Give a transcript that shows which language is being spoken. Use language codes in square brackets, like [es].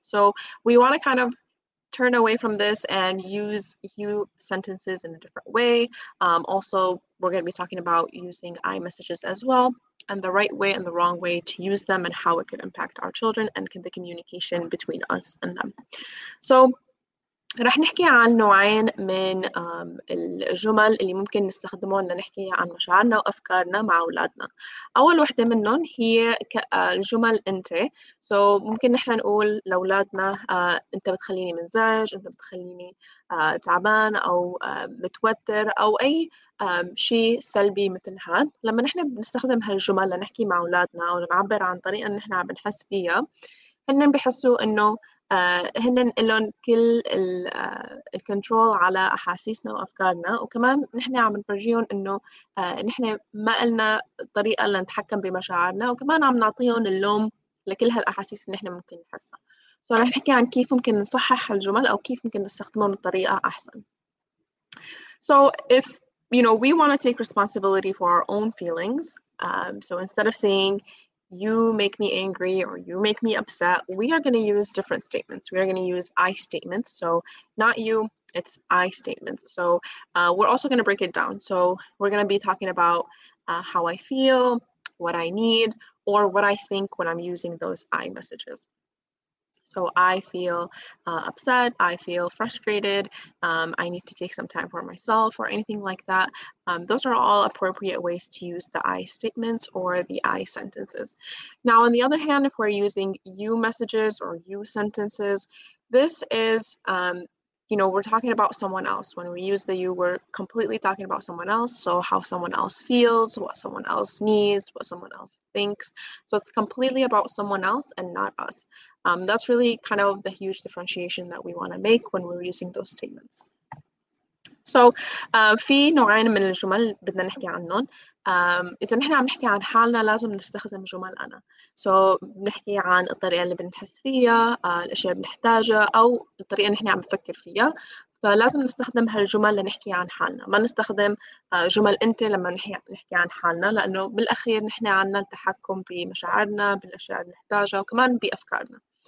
[en] So we want to kind of turn away from this and use you sentences in a different way. Also, we're going to be talking about using I messages as well, and the right way and the wrong way to use them and how it could impact our children and the communication between us and them. So [ar] رح نحكي عن نوعين من الجمل اللي ممكن نستخدمه لنحكي عن مشاعرنا وأفكارنا مع أولادنا. أول وحدة منهم هي الجمل أنت. So ممكن نحن نقول لأولادنا أنت بتخليني منزعج، أنت بتخليني تعبان أو متوتر أو أي شيء سلبي مثل هذا. لما نحن بنستخدم هالجمل لنحكي مع أولادنا أو نعبر عن طريقة نحن عم نحس فيها، هن بحسوا إنه هن لهم كل الكنترول على أحاسيسنا وأفكارنا، وكمان نحن عم نفرجيهم إنه نحن ما قلنا طريقة لنتحكم بمشاعرنا، وكمان عم نعطيهم اللوم لكل هالأحاسيس اللي نحن ممكن نحسها. So رح نحكي عن كيف ممكن نصحح هالجمل أو كيف ممكن نستخدمهم بطريقة أحسن. [en] So if you know we want to take responsibility for our own feelings, so instead of saying you make me angry or you make me upset, we are going to use different statements. We are going to use I statements. So not you, it's I statements. So we're also going to break it down. So we're going to be talking about how I feel, what I need, or what I think when I'm using those I messages. So I feel upset, I feel frustrated, I need to take some time for myself or anything like that. Those are all appropriate ways to use the I statements or the I sentences. Now, on the other hand, if we're using you messages or you sentences, this is, you know, we're talking about someone else. When we use the you, we're completely talking about someone else. So how someone else feels, what someone else needs, what someone else thinks. So it's completely about someone else and not us. That's really kind of the huge differentiation that we want to make when we're using those statements. [ar] So, في نوعين من الجمل بدنا نحكي عنهم. إذا نحن عم نحكي عن حالنا لازم نستخدم جمل أنا. So نحكي عن الطريقة اللي بنحس فيها، الأشياء اللي بنحتاجها أو الطريقة اللي نحن عم نفكر فيها. فلازم نستخدم هالجمل لنحكي عن حالنا. ما نستخدم جمل أنت لما نحكي عن حالنا، لأنه بالأخير نحن عنا التحكم بمشاعرنا، بالأشياء اللي نحتاجها، وكمان بأفكارنا.